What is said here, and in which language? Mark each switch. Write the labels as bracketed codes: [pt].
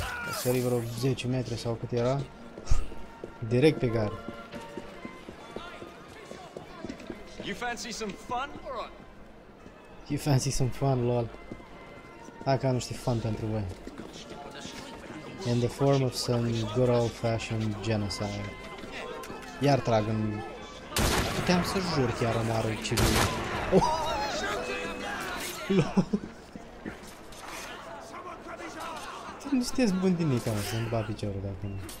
[ro] A sări vreo 10 metri sau cât era. Direct pe gard. [en] You fancy some fun, or what? You fancy some fun, lol. [ro] Hai ca am niște fun pentru voi. [en] In the form of some good old-fashioned genocide. [ro] Iar trag în... Puteam să jur chiar în arul civil. Oh! Lol. Nu sunteți bun din nică, mă, să-mi bat piciorul de acum.